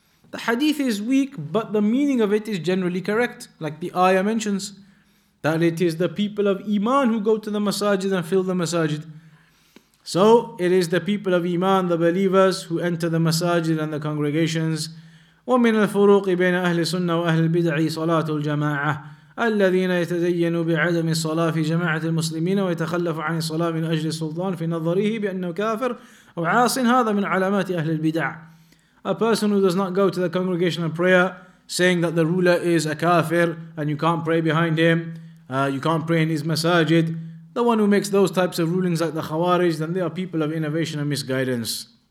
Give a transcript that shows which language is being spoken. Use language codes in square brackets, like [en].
[en] The hadith is weak, but the meaning of it is generally correct. Like the ayah mentions, that it is the people of iman who go to the masajid and fill the masajid. So it is the people of iman, the believers, who enter the masajid and the congregations. [ar] ومن الفروق بين أهل السنة وأهل البدع صلاة الجماعة الذين يتدينوا بعدم الصلاة في جماعة المسلمين ويتخلف عن الصلاة من أجل السلطان في نظره بأنه كافر. [en] A person who does not go to the congregational prayer, saying that the ruler is a kafir and you can't pray behind him, you can't pray in his masajid. The one who makes those types of rulings like the Khawarij, then they are people of innovation and misguidance.